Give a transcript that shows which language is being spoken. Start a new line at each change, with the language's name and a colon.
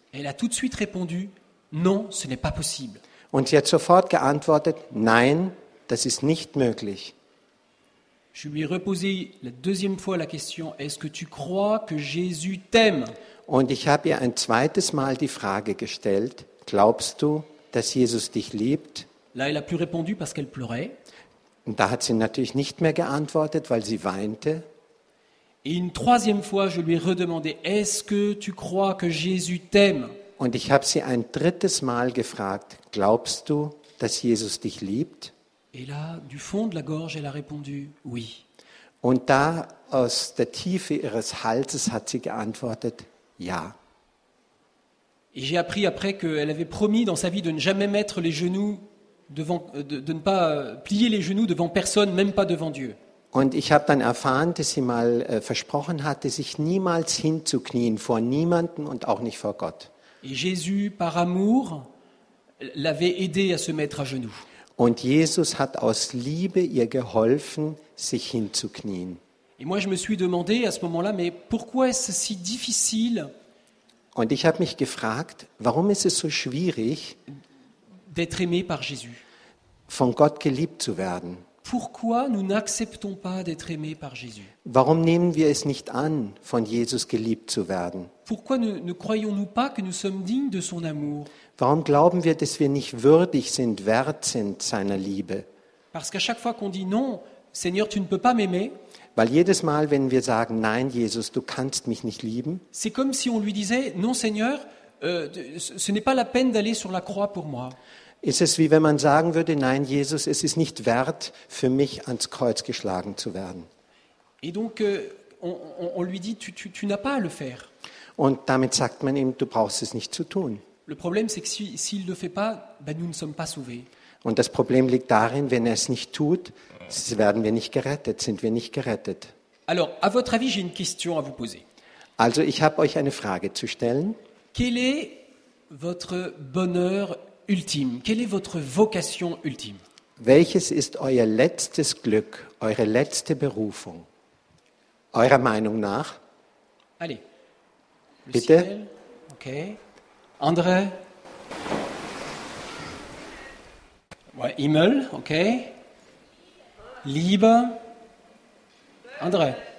French: Elle a tout de suite répondu, non, ce n'est pas possible.
German: Und sie hat sofort geantwortet, nein, das ist nicht möglich.
French: Je lui ai reposé la deuxième fois la question, est-ce que tu crois que Jésus t'aime?
German: Und ich habe ihr ein zweites Mal die Frage gestellt, glaubst du, dass Jesus dich liebt?
French: Là, elle a plus répondu parce qu'elle pleurait.
German: Und da hat sie natürlich nicht mehr geantwortet, weil sie weinte.
French: Et une troisième fois, je lui ai redemandé, est-ce que tu crois que Jésus t'aime?
German: Und ich habe sie ein drittes Mal gefragt, glaubst du, dass Jesus dich liebt?
French: Et là, du fond de la gorge, elle a répondu, oui.
German: Und da aus der Tiefe ihres Halses hat sie geantwortet, ja.
French: Et j'ai appris après qu'elle avait promis dans sa vie de ne jamais mettre les genoux devant de ne pas plier les genoux devant personne, même pas devant Dieu.
German: Und ich habe dann erfahren, dass sie mal versprochen hatte, sich niemals hinzuknien vor niemanden und auch nicht vor Gott.
French: Et Jésus, par amour, l'avait aidée à se mettre à genoux.
German: Und Jesus hat aus Liebe ihr geholfen, sich hinzuknien.
French: Et moi, je me suis demandé à ce moment-là, mais pourquoi est-ce si difficile?
German: Und ich habe mich gefragt, warum ist es so schwierig?
French: D'être aimé par Jésus.
German: von Gott geliebt zu werden?
French: Pourquoi nous n'acceptons pas d'être aimés par Jésus?
German: Warum nehmen wir es nicht an, von Jesus geliebt zu werden?
French: Pourquoi ne croyons-nous pas que nous sommes dignes de son amour?
German: Warum glauben wir, dass wir nicht würdig sind, wert sind seiner Liebe?
French: Parce qu'à chaque fois qu'on dit non, Seigneur, tu ne peux pas m'aimer.
German: Weil jedes Mal, wenn wir sagen, nein, Jesus, du kannst mich nicht lieben.
French: C'est comme si on lui disait, non, Seigneur, ce n'est pas la peine d'aller sur la croix pour moi.
German: Ist es wie wenn man sagen würde, nein, Jesus, es ist nicht wert, für mich ans Kreuz geschlagen zu werden.
French: Et donc, on lui dit, tu n'as pas à le faire.
German: Und damit sagt man ihm, du brauchst es nicht zu tun.
French: Le problème, c'est que s'il le fait pas, ben nous ne sommes pas sauvés.
German: Und das Problem liegt darin, wenn er es nicht tut, werden wir nicht gerettet, sind wir nicht gerettet.
French: Alors, à votre avis, j'ai une question à vous poser.
German: Also, ich habe euch eine Frage zu stellen.
French: Quel est votre bonheur ultime? Quelle est votre vocation ultime?
German: Welches ist euer letztes Glück, eure letzte Berufung? Eurer Meinung nach?
French: Allez.
German: Bitte. Okay. André. Ouais, Himmel, okay. Liebe. André.